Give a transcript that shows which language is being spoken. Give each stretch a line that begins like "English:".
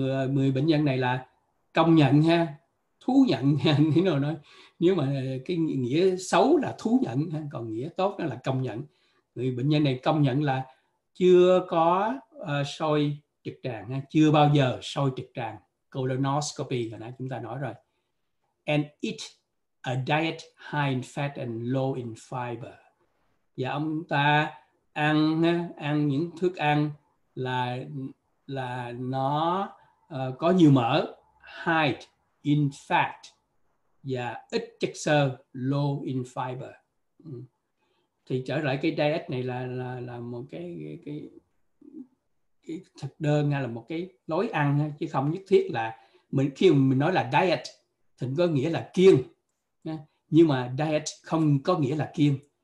Vietnamese: Người bệnh nhân này là công nhận ha, thú nhận ha, nếu mà cái nghĩa xấu là thú nhận ha, còn nghĩa tốt đó là công nhận. Người bệnh nhân này công nhận là chưa có soi trực tràng ha, chưa bao giờ soi trực tràng, colonoscopy hồi nãy chúng ta nói rồi.
English: And eat a diet high in fat and low in fiber.
Vietnamese: Và ông ta ăn những thức ăn là nó có nhiều mỡ,
English: high in fat,
Vietnamese: và ít chất xơ,
English: low in fiber.
Vietnamese: Thì trở lại cái diet này là một cái thực đơn, hay là một cái lối ăn, chứ không nhất thiết là khi mình nói là diet thì có nghĩa là kiêng, nhưng mà diet không có nghĩa là kiêng.